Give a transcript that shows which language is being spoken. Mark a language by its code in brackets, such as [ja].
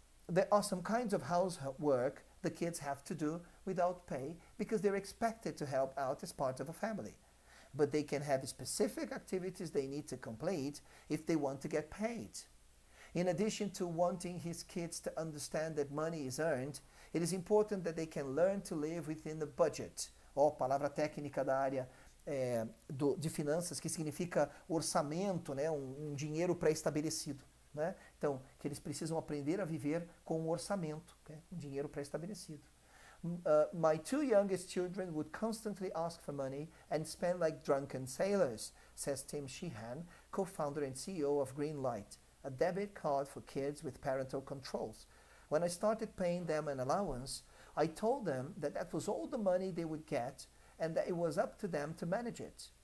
[en] There are some kinds of housework the kids have to do without pay because they're expected to help out as part of a family. But they can have specific activities they need to complete if they want to get paid. In addition to wanting his kids to understand that money is earned, It is important that they can learn to live within the budget. [pt] Oh, palavra técnica da área de finanças, que significa orçamento, né? Um dinheiro pré-estabelecido. Né? Então, que eles precisam aprender a viver com um orçamento, né? Um dinheiro pré-estabelecido. [en] My two youngest children would constantly ask for money and spend like drunken sailors, says Tim Sheehan, co-founder and CEO of Greenlight, a debit card for kids with parental controls. When I started paying them an allowance, I told them that that was all the money they would get and that it was up to them to manage it.